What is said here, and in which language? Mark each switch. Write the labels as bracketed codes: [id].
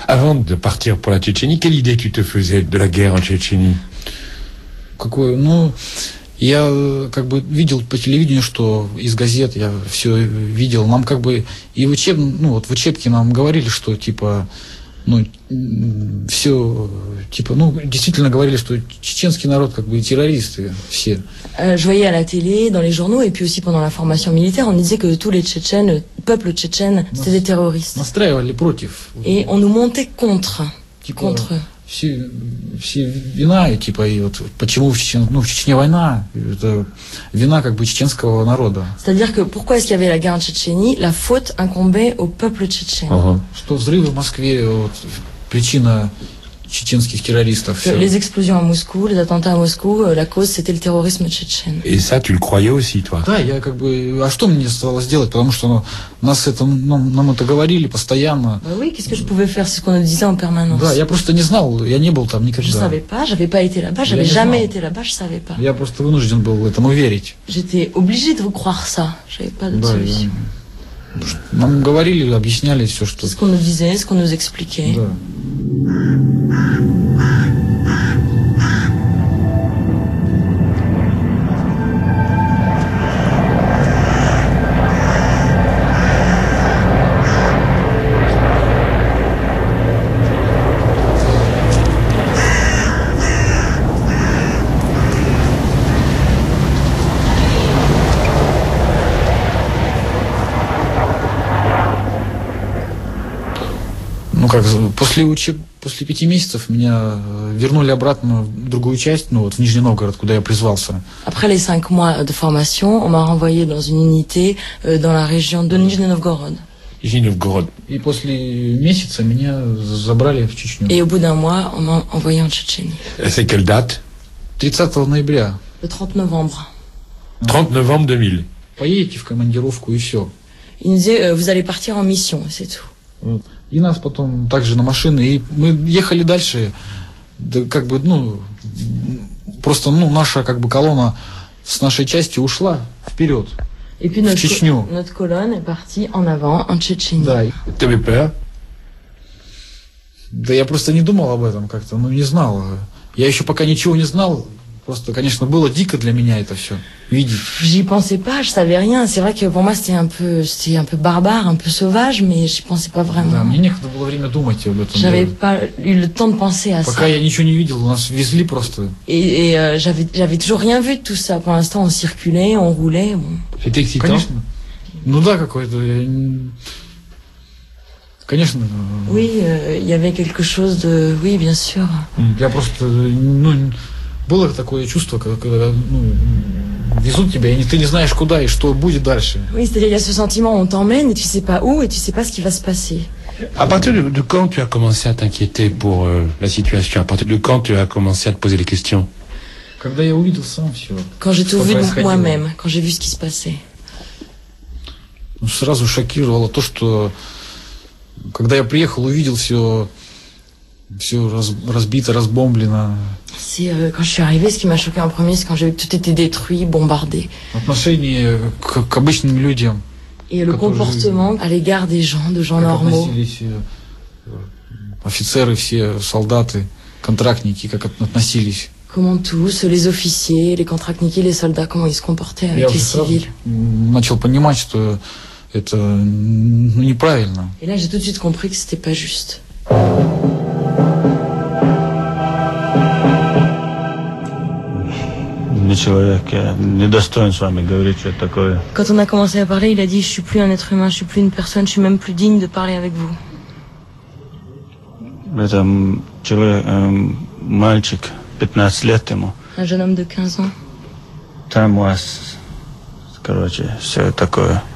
[fr] Avant de partir pour la Tchétchénie, quelle idée tu te faisais de la guerre en Tchétchénie? [ru] Какой, ну, я как бы видел по телевидению, что из газет я все видел. Нам как бы и в учебном, ну вот в учебке нам говорили, что типа, ну все типа, ну действительно говорили, что чеченский народ как бы террористы все. [fr] Je voyais à la télé, dans les journaux et puis aussi pendant la formation militaire, on disait que tous les Tchétchènes, le peuple tchétchène, c'était des terroristes. [ru] Настраивали против. [fr] Et on nous montait contre. [ru] Типа, [fr] contre. [ru] Все вина и типа и вот почему в Чечне война? Это вина как бы чеченского народа. [fr] C'est-à-dire que pourquoi est-ce qu'il y avait la guerre en Tchétchénie? La faute incombait au peuple tchétchène. [ru] Что взрывы в Москве вот причина чеченских террористов. [fr] Les explosions à Moscou, les attentats à Moscou, la cause c'était le terrorisme tchétchène. Et ça tu le croyais aussi toi? [ru] Да, я как бы. А что мне оставалось делать? Потому что нас это, ну, нам это говорили постоянно. [fr] Bah oui, qu'est-ce que je pouvais faire, c'est ce qu'on nous disait en permanence. [ru] Да, я просто не знал, я не был там никогда. [fr] Je savais pas, j'avais pas été là-bas, j'avais jamais été là-bas, je savais pas. [ru] Я просто вынужден был этому верить. [fr] J'étais obligé de vous croire ça, j'avais pas de solution. [ru] Нам говорили, объясняли все, что... [fr] Ce qu'on nous disait, ce qu'on nous expliquait. [ru] Да. После после пяти месяцев меня вернули обратно в другую часть, ну вот в Нижний Новгород, куда я призвался. [fr] Après les 5 mois de formation, on m'a renvoyé dans une unité dans la région de Нижний Новгород. [ru] Нижний Новгород. И после месяца меня забрали в Чечню. [fr] Et au bout d'un mois, on m'a envoyé en Tchétchénie. Et c'est quelle date? [ru] 30 ноября. [fr] Le 30 novembre. 30 novembre 2000. [ru] Поедете в командировку и все. [fr] Il nous dit, vous allez partir en mission, c'est tout. [ru] И нас потом также на машины, и мы ехали дальше, да, как бы, ну, просто, ну, наша, как бы, колонна с нашей части ушла вперед, [fr] et puis notre [ru] в Чечню. [fr] Notre colonne est partie en avant, en Chechnya. [ru] Да. Ты бы пер? Да я просто не думал об этом как-то, ну, не знал. Я еще пока ничего не знал, просто, конечно, было дико для меня это все видеть. [fr] J'y pensais pas, je savais rien. C'est vrai que pour moi c'était un peu barbare, un peu sauvage, mais j'y pensais pas vraiment. [ru] Да, мне некогда было время думать об этом. [fr] J'avais pas eu le temps de penser à ça. [ru] Пока я ничего не видел, нас везли просто. [fr] Et j'avais toujours rien vu de tout ça. Pour l'instant, on circulait, on roulait. Bon. C'était excitant. [ru] Конечно. Ну да, какой-то. Конечно. [fr] Oui, il y avait quelque chose de. Oui, bien sûr. [ru] Я просто, ну. Было такое чувство, когда ну, везут тебя, и ты не знаешь куда и что будет дальше. [fr] Oui, c'est-à-dire, il y a ce sentiment, on t'emmène, et tu sais pas où, et tu sais pas ce qui va se passer. À partir de quand tu as commencé à t'inquiéter pour la situation? À partir de quand tu as commencé à te poser des questions? [ru] Когда я увидел сам все. [fr] Quand j'ai tout vu pour moi-même, quand j'ai vu ce qui se passait. [ru] Ну, сразу шокировало то, что когда я приехал, увидел все. Все разбито, разбомблено. [fr] Si, quand je suis arrivée, ce qui m'a choqué en premier, c'est quand j'ai vu que tout était détruit, bombardé. [ru] Отношение к, к обычным людям. [fr] Et le comportement à l'égard des gens, de gens normaux. [ru] Как относились офицеры, все солдаты, контрактники, как относились. [fr] Comment tous, les officiers, les contractniki, les soldats, comment ils se comportaient avec les civils. [ru] Начал понимать, что это неправильно. [fr] Et là, j'ai tout de suite compris que c'était pas juste. [ru] Человек, я не достоин с вами говорить, что это такое. [fr] Quand on a commencé à parler, il a dit, je suis plus un être humain, je suis plus une personne, je suis même plus digne de parler avec vous. [ru] Это человек, мальчик, 15 лет ему. [fr] Un jeune homme de 15 ans. [ru] Там у вас, короче, все такое.